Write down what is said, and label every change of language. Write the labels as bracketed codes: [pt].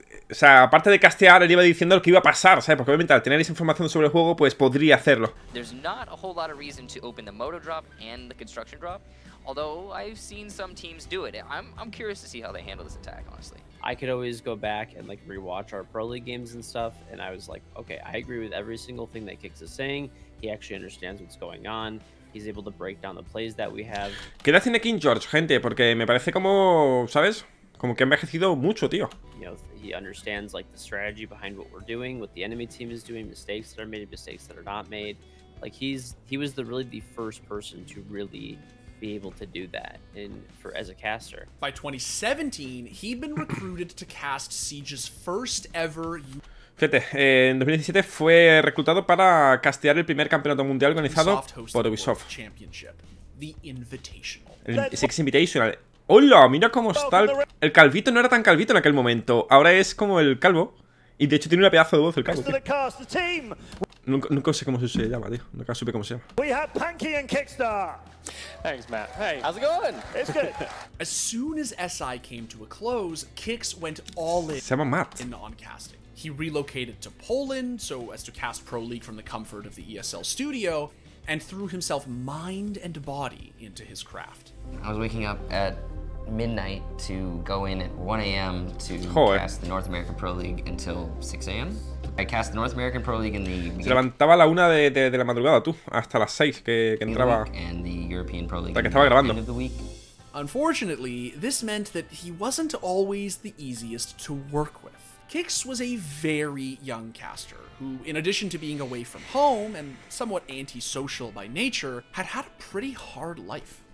[es] o sea, aparte de castear, él iba diciendo lo que iba a pasar, ¿sabes? Porque obviamente al tener esa información sobre el juego, pues podría hacerlo. [en] There's not a whole lot of reason to open the moto drop and the construction drop, although I've seen some teams do it. I'm curious to see how they handle this attack, honestly. I could always go back and like rewatch our pro league games and stuff, and I was like, okay, I agree with every single thing that Kix is saying. He actually understands what's going on. He's able to break down the plays that we have. [es] ¿Qué le hace King George, gente? Porque me parece como, ¿sabes? Como que ha envejecido mucho, tío. [en] You know, he understands like the strategy behind what we're doing, what the enemy team is doing, mistakes that are made, mistakes that are not made. Like he was the first person to really be able to do that as a caster. By 2017, he'd been recruited to cast Siege's first ever. [es] Fíjate, en 2017 fue reclutado para castear el primer campeonato mundial organizado por Ubisoft. [en] Championship, the Invitational. [es] Six Invitational. ¡Hola! Mira cómo está el calvito. No era tan calvito en aquel momento. Ahora es como el calvo. Y de hecho tiene una pedazo de voz el calvo. Nunca sé cómo se llama, tío. Nunca supe cómo se llama. [en] We have Panky and Kickstar. Thanks, Matt. Hey, how's it going? It's good. As soon as SI came to a close, Kix went all in. [es] Se llama Matt. [en] In non-casting. He relocated to Poland so as to cast Pro League from the comfort of the ESL studio, and threw himself mind and body into his craft. I was waking up at midnight to go in at 1 a.m. to cast the North American Pro League until 6 a.m. I cast the North American Pro League in the beginning. [es] Se levantaba a la una de la madrugada, tú, hasta las 6 que entraba. [en] And the European Pro League. [es] La que estaba grabando. [en] End of the week. Unfortunately, this meant that he wasn't always the easiest to work with. Kix was a very young caster who, in addition to being away from home and somewhat antisocial by nature, had a pretty hard life.